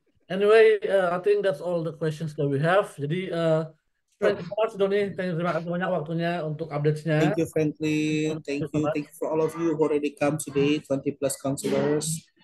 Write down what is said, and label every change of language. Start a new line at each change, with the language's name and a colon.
English: Anyway, I think that's all the questions that we have. Jadi, thank you so much, Doni.
Indonesian: Terima kasih banyak waktunya untuk updates-nya.
English: Thank you, Franklin. Thank you for all of you who already come today, 20 plus counselors.